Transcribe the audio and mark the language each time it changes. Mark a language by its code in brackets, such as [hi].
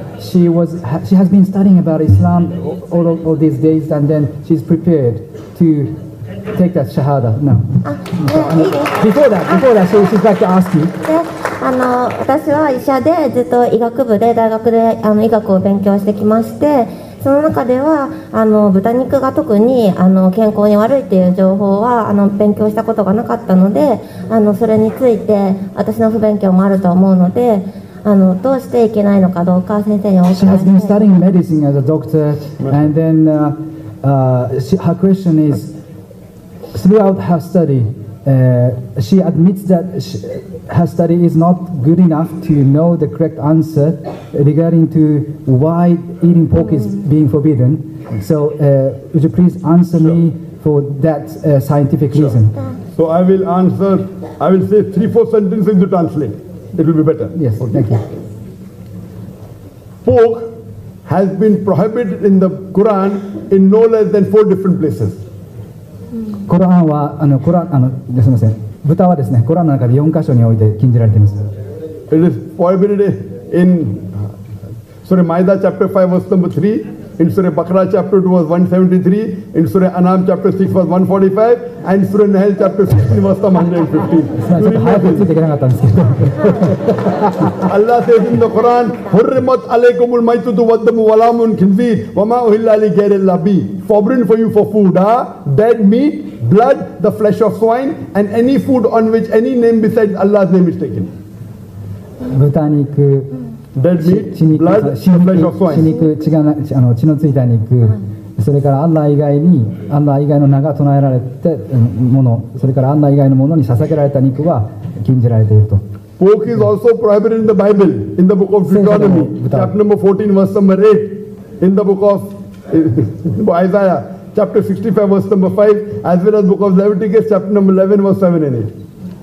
[en] She has been studying about Islam all these days, and then she's prepared to take that shahada now. Before that, she's back to ask you. [ja] 私は医者でずっと医学部で大学で医学を勉強してきまして、その中では豚肉が特に健康に悪いという情報は勉強したことがなかったので、それについて私の不勉強もあると思うので。どうしていけないのかどうか先生にお伺いします。 [en] She has been studying medicine as a doctor, and then her question is, throughout her study, she admits that her study is not good enough to know the correct answer regarding to why eating pork is being forbidden. So, would you please answer me for that scientific reason? So I will answer. I will say 3-4 sentences to translate. It will be better. Yes, thank you. Pork has been prohibited in the Quran in no less than 4 different places. [ja] Quran は、すみません。豚はですね、Quran の中で4箇所において禁じられています。 [en] It is prohibited in Surah Maida chapter 5 verse number 3, in Surah Baqarah chapter 2 verse 173, in Surah Anam chapter 6 verse 145, and Surah Nahl chapter 16 verse 115. [ja] ちょっと早くついていけなかったんですけど。 [en] Allah says in the Quran, [ar] حُرِّمَتْ عَلَيْكُمُ الْمَيْتُتُ وَالدَّمُ وَلَا مُنْ خِنْزِيرٍ وَمَا أُهِلَّ لِغَيْرِ اللَّهِ [en] Forbidden for you for food, dead meat, blood, the flesh of swine, and any food on which any name besides Allah's name is taken. [ja] 豚肉。 [en] Dead meat, [ja] 血のついた肉、それからアッラー以外にアッラー以外の名が唱えられてもの、それからアッラー以外のものに捧げられた肉は禁じられていると。 [en] Pork is also prohibited in the Bible, in the book of Deuteronomy, chapter number 14, verse number 8, in the book of Isaiah, chapter 65, verse number 5, as well as book of Leviticus, chapter number 11, verse 7 and 8.